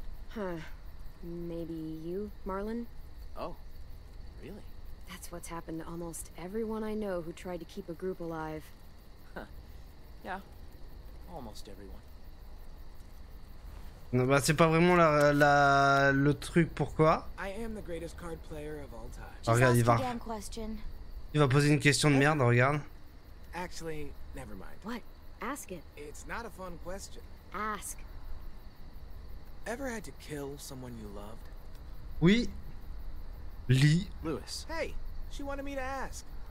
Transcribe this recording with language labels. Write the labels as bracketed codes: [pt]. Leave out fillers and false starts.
[en] Huh. Maybe you, Marlin? Oh, really? That's what's happened to almost everyone I know who tried to keep a group alive. Huh. Yeah. Almost everyone. [fr] Non, bah, c'est pas vraiment le truc pourquoi. [en] I am the greatest card player of all time. [fr] Oh, regarde, il va. Il va poser une question de merde, regarde. [en] Actually, never mind. What? Ask it. It's not a fun question. Ask. Ever had to kill someone you loved? [fr] Oui. Lee. [en] Lewis. Hey, she wanted me to ask.